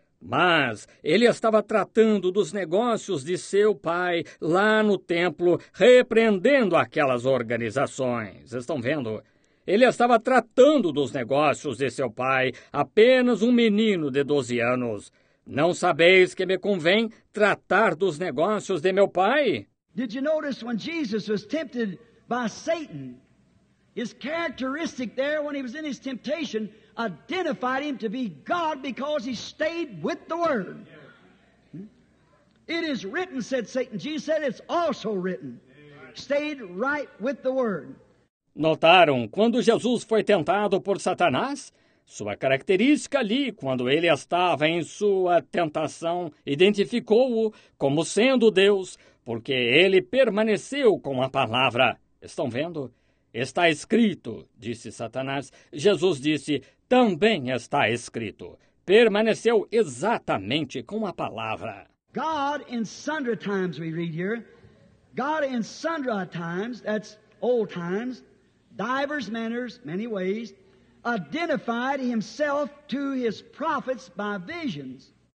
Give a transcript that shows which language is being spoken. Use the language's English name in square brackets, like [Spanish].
[Portuguese] Mas ele estava tratando dos negócios de seu pai lá no templo, repreendendo aquelas organizações. Estão vendo? Ele estava tratando dos negócios de seu pai, apenas um menino de 12 anos. Não sabeis que me convém tratar dos negócios de meu pai? [English] Did you notice when Jesus was tempted by Satan? His characteristic there when he was in his temptation identified him to be God because he stayed with the Word. It is written, said Satan. Jesus said, it's also written. Stayed right with the word. [Portuguese] Notaram quando Jesus foi tentado por Satanás? Sua característica ali, quando ele estava em sua tentação, identificou-o como sendo Deus, porque ele permaneceu com a palavra. Estão vendo? Está escrito, disse Satanás. Jesus disse, também está escrito. Permaneceu exatamente com a palavra. [English] God in sundry times, we read here. God in sundry times, that's old times, divers manners, many ways, identified himself to his prophets by visions.